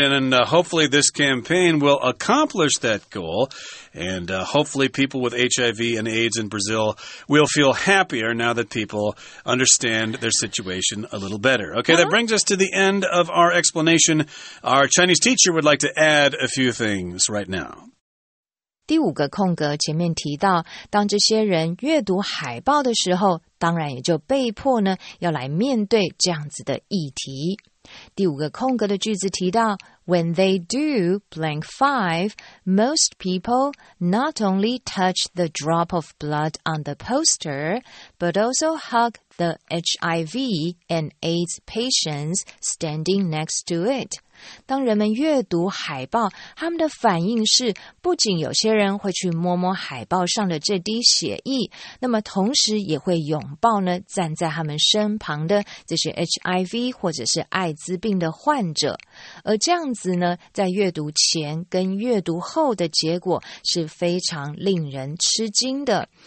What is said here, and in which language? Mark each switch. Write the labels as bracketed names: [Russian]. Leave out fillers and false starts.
[English] And hopefully this campaign will accomplish that goal. And hopefully people with HIV and AIDS in Brazil will feel happier now that people understand their situation a little better. Okay, that brings us to the end of our explanation. Our Chinese teacher would like to add a few things right now. [Chinese] 第五个空格前面提到，当这些人阅读海报的时候，当然也就被迫呢，要来面对这样子的议题。第五个空格的句子提到 [English] ,When they do blank five, most people not only touch the drop of blood on the poster, but also hug the HIV and AIDS patients standing next to it. [Chinese] 当人们阅读海报，他们的反应是不仅有些人会去摸摸海报上的这滴血液，那么同时也会拥抱呢站在他们身旁的这些 HIV 或者是艾滋病的患者。而这样子呢，在阅读前跟阅读后的结果是非常令人吃惊的。